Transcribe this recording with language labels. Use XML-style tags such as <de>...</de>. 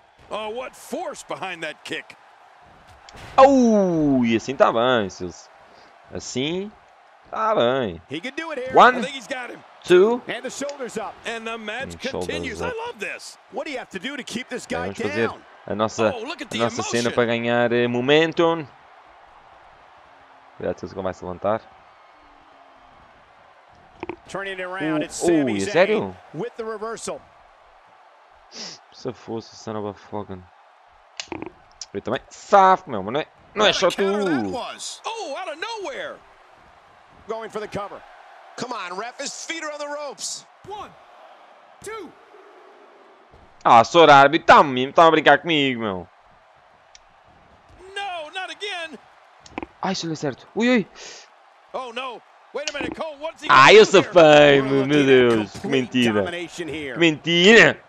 <en>Oh, what force behind that kick.</en> <pt>Oh, e assim tá bem, Seals. Assim tá bem.</pt> <en>One, two, and the shoulders up. And the match continues. I love this. What do you have to do to keep this guy down?</en> <pt>Vamos fazer a nossa cena para ganhar momentum. Cuidado, Seals, que vai se levantar.</pt> <en>Turning it around, it's Sami Zayn with the reversal.</en> <pt>Se fosse o</pt> <en>son of a fucking.</en> <pt>Eu também. Saf, meu, mas não é só tu.</pt> <en>Oh, out of nowhere. Going for the cover. Come on, ref, his feet are on the ropes. One, two.</en> <pt>Ah, sou árbitro, tá a brincar comigo, meu.</pt> <en>No, not again.</en> <pt>Ai, isso não é certo. Ui, ui.</pt> <en>Oh, no. Wait a minute, Cole, what's he</en> <pt>Ah, eu safei-me, meu Deus. Que mentira.</pt>